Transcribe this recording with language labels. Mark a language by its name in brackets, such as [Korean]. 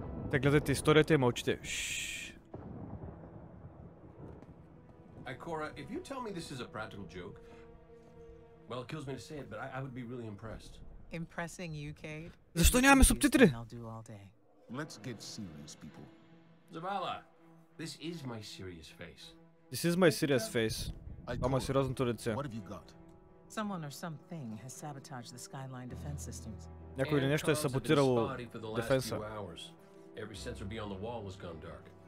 [Bulgarian] Те гледате историята и мълчите. [English] Ikora, if you tell me this is a practical joke, well, it kills me to say it, but I would be really impressed. Impressing you, Cade? [Bulgarian] Защо нямаме субтитри? [English] I'll do all day. Let's get serious, people. Zavala, this is my serious face. This is my serious face. [Bulgarian] Ама сериозното лице. [English] What have you got? Someone or something has sabotaged the skyline defense systems. [Bulgarian] Някой или нещо е саботирало дефенса. [English] Every sensor beyond the wall has gone dark.